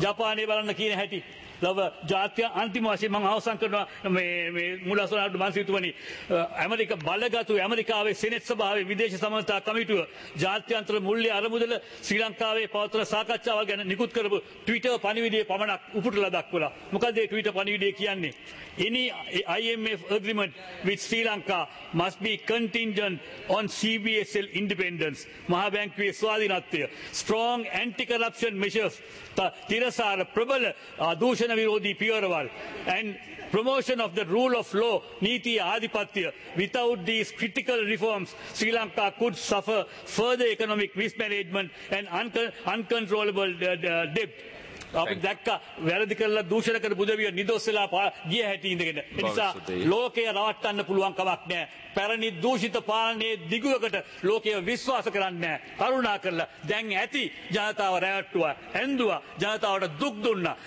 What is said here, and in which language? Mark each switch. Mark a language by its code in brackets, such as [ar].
[si] ජපානය බලන්න කියන හැටි ලව ජාත්‍ය අන්තිම වශයෙන් මම අවසන් කරනවා. මේ මුලසනාරුඩු මාසිතුමනි, ඇමරික බලගතු ඇමරිකාවේ සෙනෙත් සභාවේ විදේශ සමාජතා කමිටුව ජාත්‍යන්තර මුල්‍ය අරමුදල ශ්‍රී ලංකාවේ පවත්වන සාකච්ඡාව ගැන නිකුත් කරපු ට්විටර් පණිවිඩය පමණක් උපුටලා දක්වලා. මොකද ඒ ට්විටර් පණිවිඩය කියන්නේ? [en] Any IMF agreement with Sri Lanka must be contingent on CBSL independence, [si] Mahabankwe swadhinathya, [en] strong anti-corruption measures, [si] tirasara prabala dushana virodhi piyarawal, [en] and promotion of the rule of law, [si] niti adhipatya. [en] Without these critical reforms, Sri Lanka could suffer further economic mismanagement and uncontrollable debt. [si] අපි දැක්කා වැරදි කරලා දූෂණ කර බුදවිය නිදොස් වෙලා ගිය හැටි ඉඳගෙන. ඒ නිසා ලෝකය රවට්ටන්න පුළුවන් කමක් නැහැ. පැරණි දූෂිත පාලනයේ දිගුවකට ලෝකය විශ්වාස කරන්නේ නැහැ. කරුණා කරලා දැන් ඇති ජනතාව රැවට්ටුවා, ඇඳුවා, ජනතාවට දුක් දුන්නා.